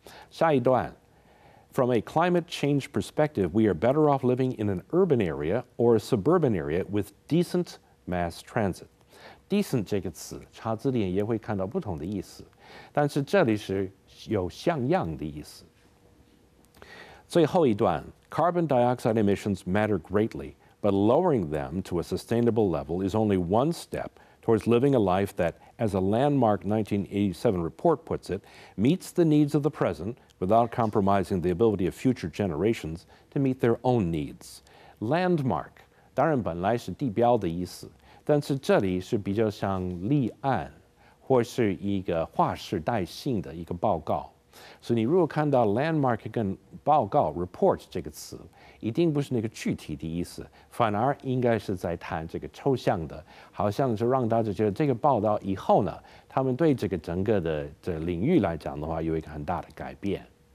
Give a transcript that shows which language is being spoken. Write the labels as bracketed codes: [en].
[zh] 下一段 [en] From a climate change perspective we are better off living in an urban area or a suburban area with decent mass transit. [zh] Decent 这个词查字典也会看到不同的意思，但是这里是有像样的意思。最后一段 [en] carbon dioxide emissions matter greatly, but lowering them to a sustainable level is only one step towards living a life that, as a landmark 1987 report puts it, meets the needs of the present without compromising the ability of future generations to meet their own needs. [zh] Landmark, 当然本来是地标的意思，但是这里是比较像立案或是一个划时代性的一个报告。所以你如果看到 landmark 跟报告 report 这个词一定不是那个具体的意思，反而应该是在谈这个抽象的，好像是让大家觉得这个报道以后呢他们对这个整个的这个领域来讲的话有一个很大的改变。